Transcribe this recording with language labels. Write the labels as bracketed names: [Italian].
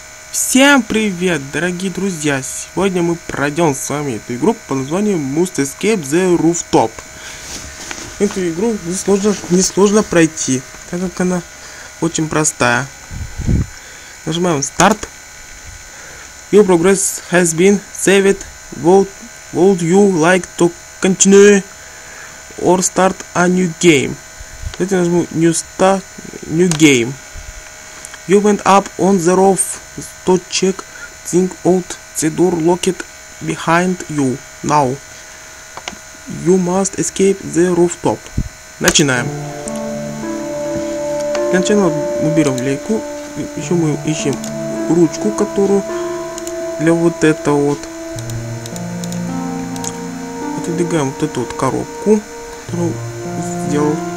[Russian] Всем привет, дорогие друзья! Сегодня мы пройдем с вами эту игру под названием Must Escape the Rooftop. Эту игру несложно пройти, так как она очень простая. Нажимаем старт. [English] Your progress has been saved. Would you like to continue or start a new game? [Russian] Давайте нажму New Start, New Game. [English] You went up on the roof to check things out. The door locked behind you. Now you must escape the rooftop. [Russian] Начинаем. Для начала мы берем лейку. Еще мы ищем ручку, которую для вот этого вот. Отодвигаем вот эту вот коробку, которую сделал.